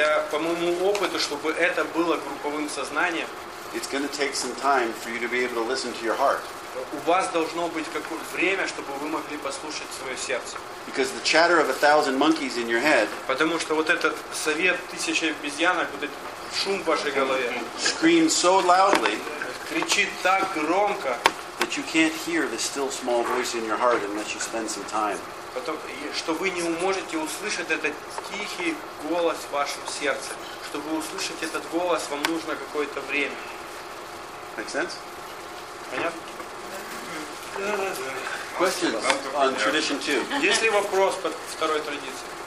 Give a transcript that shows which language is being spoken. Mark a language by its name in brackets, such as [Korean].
[Russian] По моему опыту, чтобы это было групповым сознанием. [English] It's going to take some time for you to be able to listen to your heart. [Russian] У вас должно быть какое-то время, чтобы вы могли послушать свое сердце. [English] Because the chatter of a thousand monkeys in your head. [Russian] Потому что вот этот совет тысячи обезьянок, вот этот шум в вашей голове. [English] Screams so loudly. [Russian] Кричит так громко. [English] That you can't hear the still small voice in your heart unless you spend some time. [Russian] Что вы не можете услышать этот тихий голос в вашем сердце. Чтобы услышать этот голос, вам нужно какое-то время. [English] Make sense? [Russian] Понятно? [English] Questions on tradition two. [Russian] Есть ли вопрос по второй традиции?